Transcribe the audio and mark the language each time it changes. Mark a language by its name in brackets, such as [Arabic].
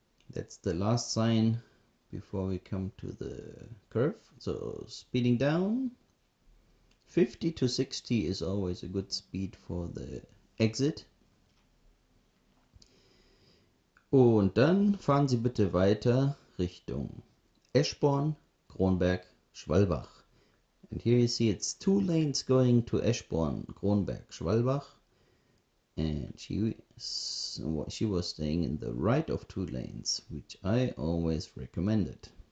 [English] That's the last sign before we come to the curve. So speeding down. 50 to 60 is always a good speed for the exit. [German] Und dann fahren Sie bitte weiter Richtung Eschborn, Kronberg, Schwalbach. [English] And here you see it's two lanes going to Eschborn, Kronberg, Schwalbach. And she was staying in the right of two lanes, which I always recommended.